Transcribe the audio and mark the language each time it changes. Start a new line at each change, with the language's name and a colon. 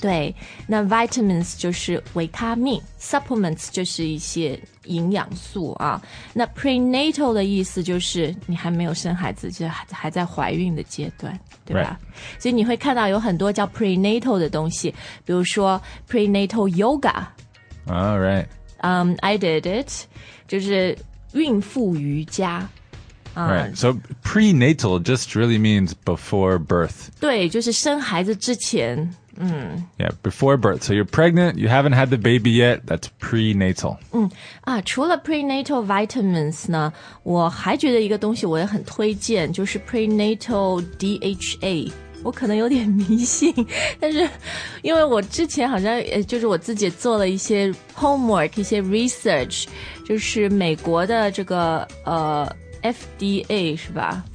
Chinese: 对那 vitamins 就是维他命 supplements 就是一些营养素啊那 prenatal 的意思就是你还没有生孩子就还在怀孕的阶段对吧、
English: right.
Chinese: 所以你会看到有很多叫 prenatal 的东西比如说 prenatal yoga
English: All right、 I did it
Chinese: 就是孕妇瑜伽、
English: Right. So prenatal just really means before birth
Chinese: 对就是生孩子之前
English: Yeah, before birth. So you're pregnant, you haven't had the baby yet, that's prenatal.
Chinese: 除了 prenatal vitamins 呢，我还觉得一个东西我也很推荐，就是 prenatal DHA。我可能有点迷信，但是因为我之前好像就是我自己做了一些 homework, 一些 research, 就是美国的这个FDA 是吧？